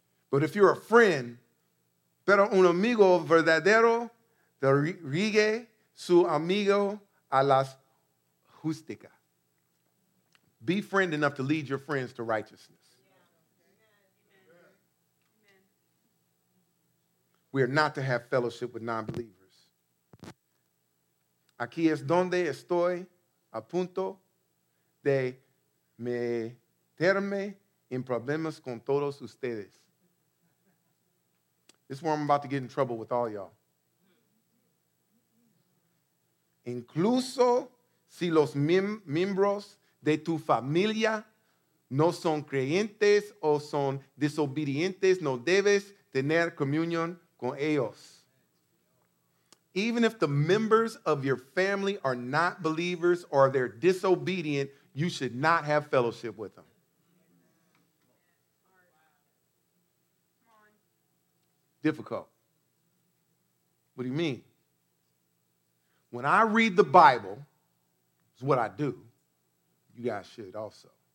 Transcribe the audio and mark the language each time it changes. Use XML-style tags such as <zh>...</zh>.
<en>But if you're a friend,</en> <es>pero un amigo verdadero, derrigue su amigo a las justica.</es> <en>Be friend enough to lead your friends to righteousness. We are not to have fellowship with non-believers.</en> <es>Aquí es donde estoy a punto de meterme en problemas con todos ustedes.</es> <en>This is where I'm about to get in trouble with all y'all.</en> <es>Incluso si los miembros de tu familia no son creyentes o son desobedientes, no debes tener comunión con ellos.</es> <en>Even if the members of your family are not believers or they're disobedient, you should not have fellowship with them. Difficult. What do you mean? When I read the Bible, it's what I do. You guys should also.</en>